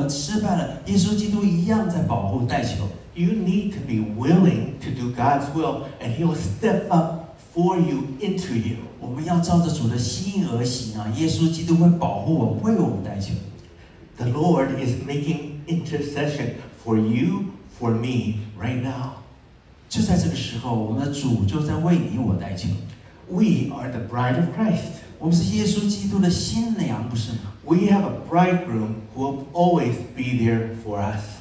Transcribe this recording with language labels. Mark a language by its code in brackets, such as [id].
[zh] 如果我们把主当作是我们的新郎，即使我们跌倒，即使我们失败了，耶稣基督一样在保护代求。 [en] You need to be willing to do God's will, and He will step up for you into you. [zh] 我们要照着主的心意而行啊！耶稣基督会保护我们，为我们代求。 [en] The Lord is making intercession for you. For me, right now, [zh] 就在这个时候，我们的主就在为你我代求。 [en] We are the bride of Christ. [zh] 我们是耶稣基督的新娘，不是吗？ [en] We have a bridegroom who will always be there for us.